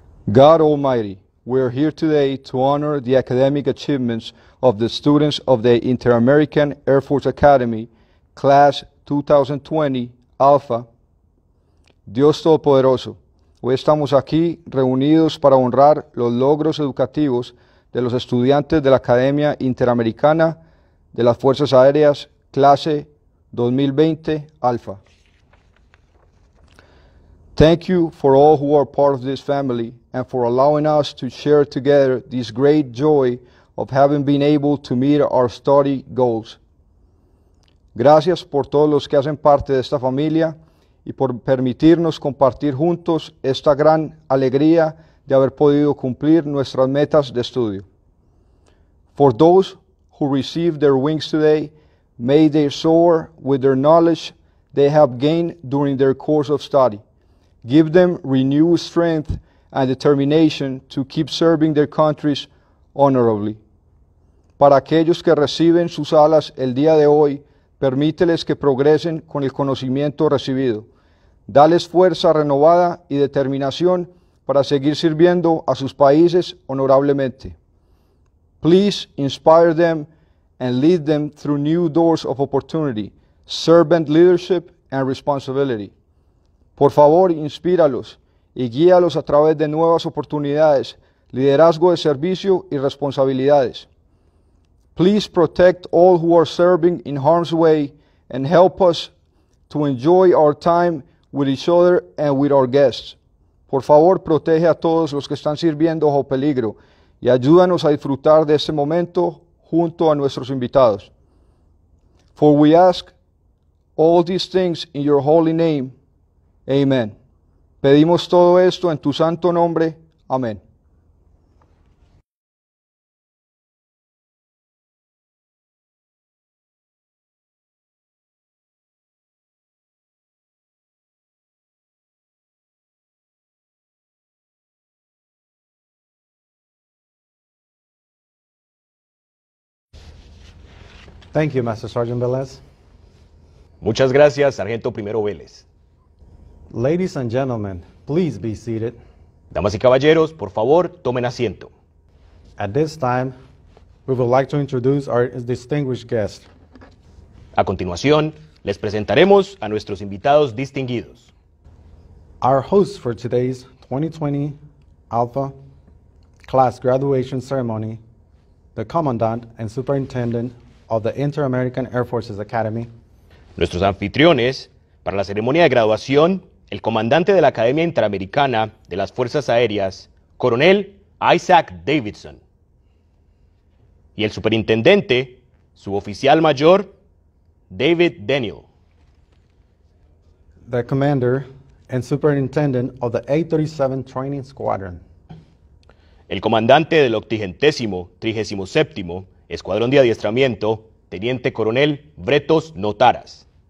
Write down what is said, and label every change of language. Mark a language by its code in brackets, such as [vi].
[en] God Almighty, we are here today to honor the academic achievements of the students of the Inter-American Air Force Academy, Class 2020 Alpha. [es] Dios Todopoderoso, hoy estamos aquí reunidos para honrar los logros educativos de los estudiantes de la Academia Interamericana de las Fuerzas Aéreas, Clase 2020 Alpha. [en] Thank you for all who are part of this family and for allowing us to share together this great joy of having been able to meet our study goals. [es] Gracias por todos los que hacen parte de esta familia y por permitirnos compartir juntos esta gran alegría de haber podido cumplir nuestras metas de estudio. [en] For those who received their wings today, may they soar with their knowledge they have gained during their course of study. Give them renewed strength and determination to keep serving their countries honorably. [es] Para aquellos que reciben sus alas el día de hoy, permíteles que progresen con el conocimiento recibido. Dales fuerza renovada y determinación para seguir sirviendo a sus países honorablemente. [en] Please inspire them and lead them through new doors of opportunity, servant leadership and responsibility. [es] Por favor, inspíralos y guíalos a través de nuevas oportunidades, liderazgo de servicio y responsabilidades. [en] Please protect all who are serving in harm's way and help us to enjoy our time with each other and with our guests. [es] Por favor, protege a todos los que están sirviendo bajo peligro y ayúdanos a disfrutar de este momento junto a nuestros invitados. [en] For we ask all these things in your holy name. [es] Amen. Pedimos todo esto en tu santo nombre. Amén. [en] Thank you, Master Sergeant Velez. [es] Muchas gracias, Sargento Primero Vélez. [en] Ladies and gentlemen, please be seated. [es] Damas y caballeros, por favor, tomen asiento. [en] At this time, we would like to introduce our distinguished guest. [es] A continuación, les presentaremos a nuestros invitados distinguidos. [en] Our hosts for today's 2020 Alpha Class Graduation Ceremony, the Commandant and Superintendent of the Inter-American Air Forces Academy. [es] Nuestros anfitriones para la ceremonia de graduación, el Comandante de la Academia Interamericana de las Fuerzas Aéreas, Coronel Isaac Davidson. Y el Superintendente, Suboficial Mayor, David Daniel. [en] The Commander and Superintendent of the 837 Training Squadron. [es] El Comandante del 837º Escuadrón de Adiestramiento, Teniente Coronel Bretos Notaras.